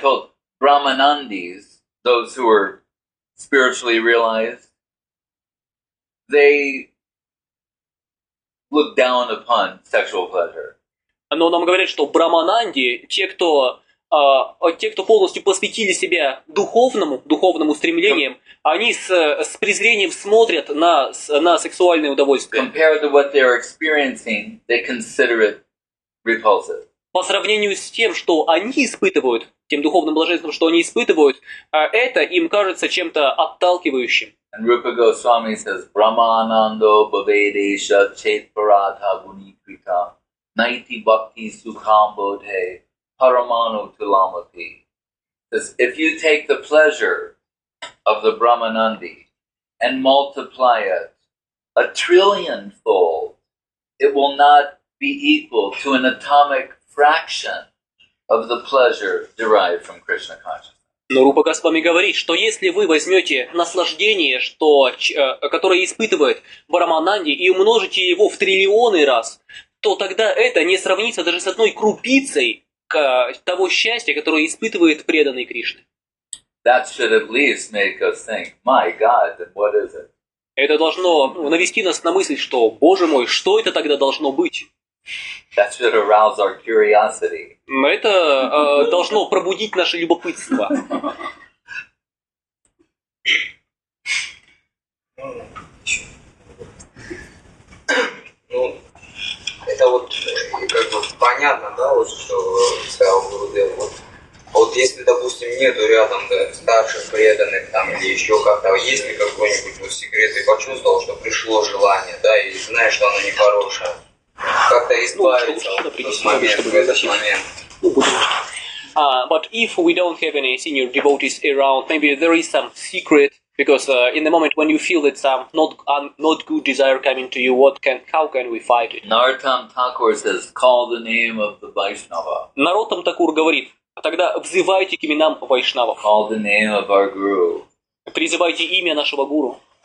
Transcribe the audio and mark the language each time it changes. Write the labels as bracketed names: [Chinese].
[English] But we're told Brahmanandis, those who are spiritually realized, they look down upon sexual pleasure. [Russian] Но нам говорят, что Брахмананди, те, кто полностью посвятили себя духовному стремлениям, они с презрением смотрят на сексуальное удовольствие. [English] Compared to what they're experiencing, they consider it repulsive. [Russian] По сравнению с тем, что они испытывают, тем духовным блаженством, что они испытывают, это им кажется чем-то отталкивающим. [English] And Rupa Goswami says, [Sanskrit] Brahmanando bhavedesha chetparatha gunikrita naiti bhakti sukham bodhe paramano tulamati. [English] Because if you take the pleasure of the Brahmanandi and multiply it a trillionfold, it will not be equal to an atomic fraction of the pleasure derived from Krishna consciousness. [Russian] Но Рупа Госвами говорит, что если вы возьмете наслаждение, которое испытывает Брахмананди, и умножите его в триллионы раз, то тогда это не сравнится даже с одной крупицей того счастья, которое испытывает преданный Кришне. [English] That should at least make us think, my God, then what is it? Это должно навести нас на мысль, что, Боже мой, что это тогда должно быть? That should arouse our curiosity. Но это должно пробудить наше любопытство. [Russian] Это вот как бы понятно, да, вот что сказал Гурудев. Вот, вот если, допустим, нету рядом да, старших преданных там или еще как-то, есть ли какой-нибудь вот секрет, и почувствовал, что пришло желание, да, и знаешь, что оно нехорошее, как-то избавиться ну, вот, в, момент, себе, в этот момент. [English] But if we don't have any senior devotees around, maybe there is some secret. Because in the moment when you feel that some not good desire coming to you, how can we fight it? Нартам Такур says, call the name of the Vaishnava. [Russian] Наротам Такур говорит, тогда взывайте к именам Вайшнавов. [English] Call the name of our guru. [Russian] Призывайте имя нашего гуру.